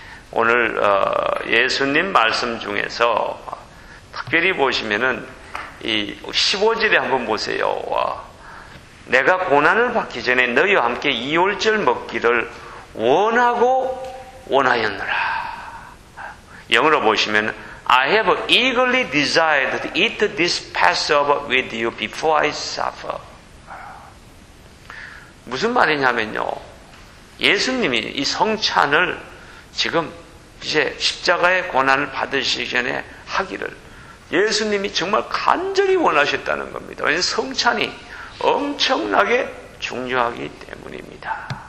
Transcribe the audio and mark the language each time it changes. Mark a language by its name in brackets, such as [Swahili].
[Korean] 오늘 예수님 말씀 중에서 특별히 보시면은 이 15절에 한번 보세요. 내가 고난을 받기 전에 너희와 함께 유월절 먹기를 원하고 원하였느라. 영어로 보시면 [English] I have eagerly desired to eat this Passover with you before I suffer. [Korean] 무슨 말이냐면요. 예수님이 이 성찬을 지금 이제 십자가의 고난을 받으시기 전에 하기를 예수님이 정말 간절히 원하셨다는 겁니다. 왜냐하면 성찬이 엄청나게 중요하기 때문입니다.